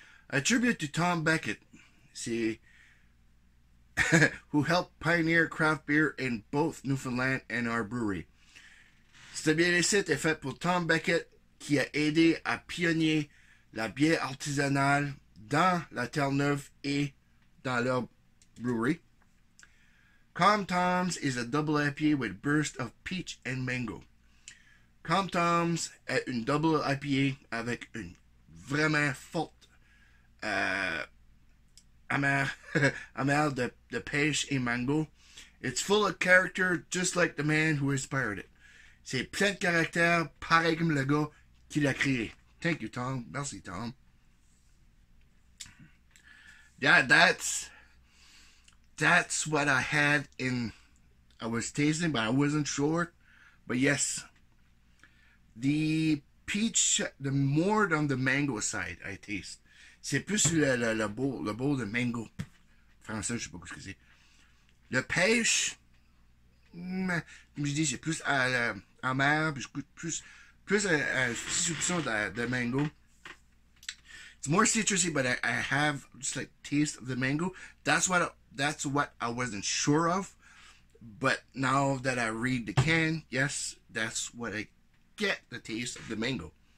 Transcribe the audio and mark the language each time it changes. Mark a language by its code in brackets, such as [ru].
[en] A tribute to Tom Beckett, who helped pioneer craft beer in both Newfoundland and our brewery. [fr] Cette bière est faite pour Tom Beckett, qui a aidé à pionnier la bière artisanale dans la Terre-Neuve et dans leur brewery. [en] Calm Tom's is a double IPA with burst of peach and mango. [fr] Calm Tom's est une double IPA avec une vraiment forte amère de pêche et mango. [en] It's full of character just like the man who inspired it. [fr] C'est plein de caractère pareil comme le gars qui l'a créé. [en] Thank you, Tom. [fr] Merci, Tom. [en] That's what I had in, I was tasting, but I wasn't sure. But yes, the peach, the more on the mango side, I taste. [fr] C'est plus sur le beau de mango. Français, je sais pas quoi ce que c'est. Le pêche, comme je dis, c'est plus amer, puis je goûte plus à soupçon de mango. [en] It's more citrusy, but I have just like taste of the mango. That's what I wasn't sure of, but now that I read the can, yes, that's what I get, the taste of the mango.